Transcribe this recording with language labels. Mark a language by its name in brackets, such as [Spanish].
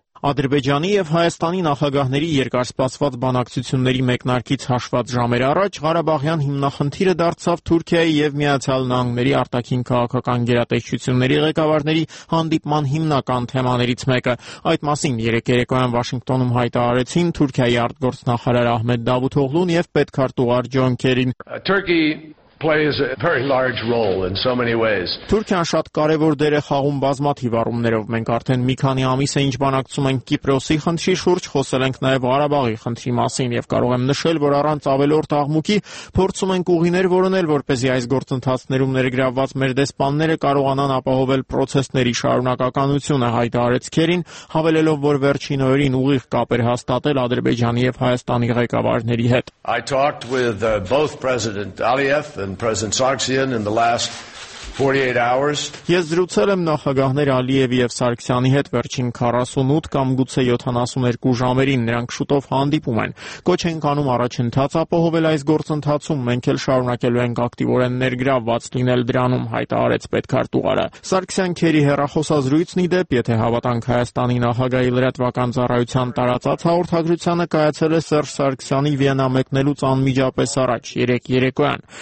[Armenian] Ադրբեջանի և Հայաստանի նախագահների երկար սպասված բանակցությունների մեկնարկից հաշված ժամեր առաջ Ղարաբաղյան հիմնախնդիրը դարձավ Թուրքիայի և Միացյալ Նահանգների արտաքին քաղաքական գերատեսչությունների ղեկավարների հանդիպման հիմնական թեմաներից մեկը։ Այդ մասին երեկերեկոյան Վաշինգտոնում հայտարարեցին Թուրքիայի արտգործնախարար Ահմեդ Դավութողլուն և պետքարտուղար Ջոն Քերին։ [English] Plays a very large role in so many ways. [Armenian] Թուրքիան շատ կարևոր դեր է խաղում բազմաթիվ առումներով։ Մենք արդեն մի քանի ամիս է, ինչ բանակցում ենք Կիպրոսի խնդրի շուրջ, խոսել ենք նաև Ղարաբաղի խնդրի մասին, և կարող եմ նշել, որ առանց ավելորդ աղմուկի փորձում ենք ուղիներ որոնել, որպեսզի այս գործընթացներում ներգրավված մեր դեսպանները կարողանան ապահովել պրոցեսների շարունակականությունը, հայտարարեց Քերին, հավելելով, որ վերջին օրերին ուղիղ կապեր հաստատել Ադրբեջանի և Հայաստանի ղեկավարների հետ։ [English] I talked with both President Aliyev and President Sarkisian in the last 48 hours. [Armenian] Ես զրուցել եմ նախագահներ Ալիևի և Սարգսյանի հետ վերջին 48 կամ գուցե 72 ժամերին, նրանք շուտով հանդիպում են։ Կոչ ենք անում առաջընթաց ապահովել այս գործընթացում, մենք էլ շարունակելու ենք ակտիվորեն ներգրավված լինել դրանում, հայտարարեց պետքարտուղարը։ Սարգսյան Քերի հեռախոսազրույցն ի դեպ, եթե հավատանք Հայաստանի նախագահի լրատվական ծառայության տարածած հաղորդագրությանը, կայացել է Սերժ Սարգսյանի Վիեննա մեկնելուց անմիջապես առաջ 3 երեկոյան։